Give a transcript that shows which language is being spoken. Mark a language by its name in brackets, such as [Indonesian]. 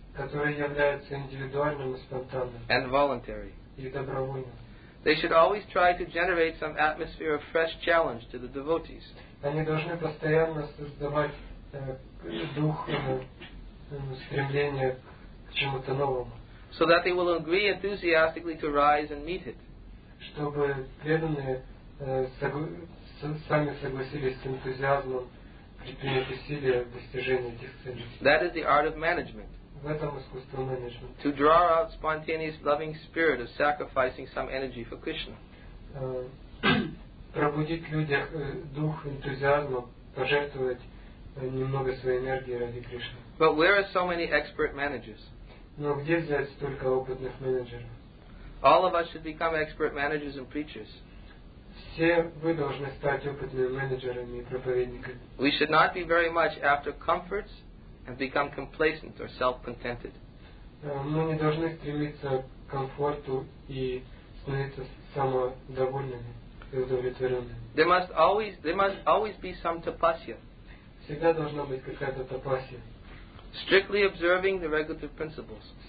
[Russian] который является индивидуальным и спонтанным, [English] and voluntary. [Russian] И добровольным. [English] They should always try to generate some atmosphere of fresh challenge to the devotees. [Russian] Они должны постоянно создавать дух стремления к чему-то новому, [English] so that they will agree enthusiastically to rise and meet it. [Russian] Чтобы преданные сами согласились с энтузиазмом предпринять усилия в достижении этих целей. [English] That is the art of management. [Russian] В этом искусство менеджмента. [English] To draw out spontaneous loving spirit of sacrificing some energy for Krishna. [Russian] Пробудить в людях дух энтузиазма, пожертвовать немного своей энергии ради Кришны. [English] But where are so many expert managers? [Russian] Но где взять столько опытных менеджеров? [English] All of us should become expert managers and preachers. [Russian] Все вы должны стать опытными менеджерами и проповедниками. [English] We should not be very much after comforts and become complacent or self-contented. [Russian] Мы не должны стремиться к комфорту и становиться самодовольными и удовлетворенными. [English] There must always be some tapasya. [Russian] Всегда должна быть какая-то тапасья. [English] strictly observing the regulative principles.